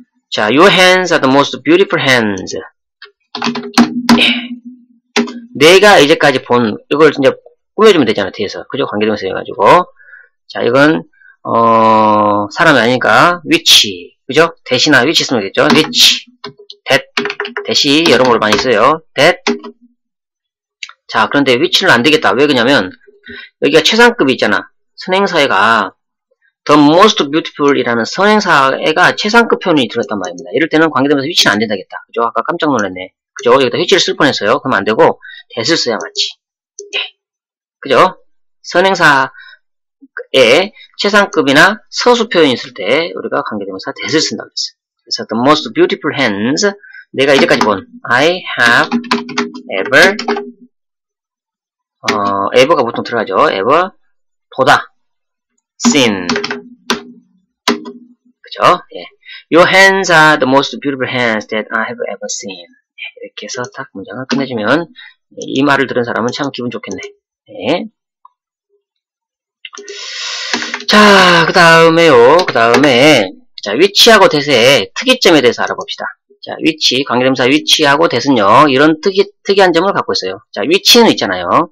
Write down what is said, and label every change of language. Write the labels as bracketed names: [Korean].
[English] 자, your hands are the most beautiful hands. [Korean] 예. 내가 이제까지 본 이걸 이제 꾸며주면 되잖아 뒤에서 그죠 관계대명사 해가지고 자 이건 사람이 아니니까 which 그죠? 대시나 위치 쓰면 되겠죠? 위치, that, 대시 여러모로 많이 써요. that. 자, 그런데 위치는 안 되겠다. 왜 그러냐면 여기가 최상급이 있잖아. 선행사회가 [English] the most beautiful [Korean] 이라는 선행사회가 최상급 표현이 들어있단 말입니다. 이럴 때는 관계대명사 위치는 안 된다겠다. 그죠? 아까 깜짝 놀랐네. 그죠? 여기다 위치를 쓸 뻔했어요. 그럼 안 되고 that을 써야 맞지. 네. 그죠? 선행사의 최상급이나 서수 표현이 있을 때 우리가 관계대명사 that을 쓴다고 했어요. 그래서 [English] the most beautiful hands [Korean] 내가 이제까지 본 [English] I have ever [Korean] ever가 보통 들어가죠. ever 보다 seen 그죠? 예. [English] Your hands are the most beautiful hands that I have ever seen. [Korean] 예. 이렇게 해서 딱 문장을 끝내주면 예. 이 말을 들은 사람은 참 기분 좋겠네. 예. 자, 그 다음에요. 그 다음에 자 위치하고 대세의 특이점에 대해서 알아봅시다. 자 위치 관계대명사 위치하고 대세는요 이런 특이한 점을 갖고 있어요. 자 위치는 있잖아요.